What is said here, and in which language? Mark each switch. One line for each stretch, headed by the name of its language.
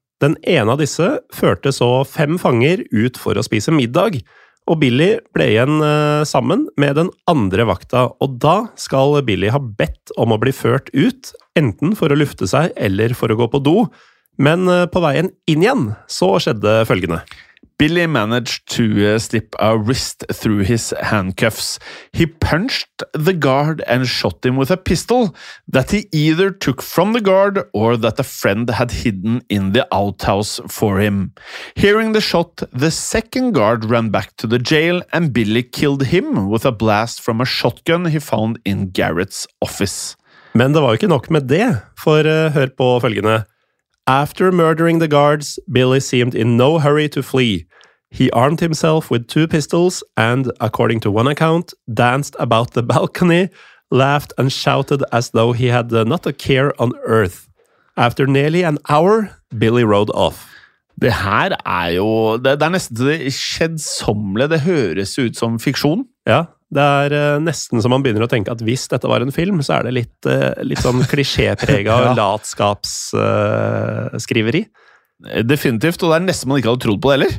Norwegian: Den ene av disse førte så 5 fanger ut for å spise middag, og Billy ble igjen sammen med den andre vakta, og da skal Billy ha bedt om å bli ført ut, enten for å lufte seg eller for å gå på do. Men på veien inn igjen så skjedde følgende.
English: Billy managed to slip a wrist through his handcuffs. He punched the guard and shot him with a pistol that he either took from the guard or that a friend had hidden in the outhouse for him. Hearing the shot, the second guard ran back to the jail and Billy killed him with a blast from a shotgun he found in Garrett's office.
Norwegian: Men det var jo ikke nok med det, for hør på følgende.
English: After murdering the guards, Billy seemed in no hurry to flee. He armed himself with two pistols and, according to one account, danced about the balcony, laughed and shouted as though he had not a care on earth. After nearly an hour, Billy rode off.
Norwegian: Det her jo, det nesten det skjedsommelige, det høres ut som fiksjon. Ja, det nesten som man begynner å tenke at hvis dette var en film, så det litt, litt sånn klisjépreget og latskapsskriveri. Definitivt, og det nesten man ikke hadde trodd på det heller.